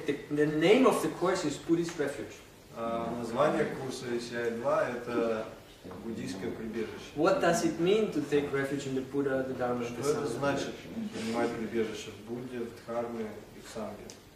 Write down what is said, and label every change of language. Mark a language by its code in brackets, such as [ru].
[en] The name of the course is Buddhist Refuge. [ru] Название курса ACI 2 это буддийское прибежище. [en] What does it mean to take refuge in the Buddha, the Dharma, [ru] что это значит принимать прибежище в Будде, в Дхарме и в Санге?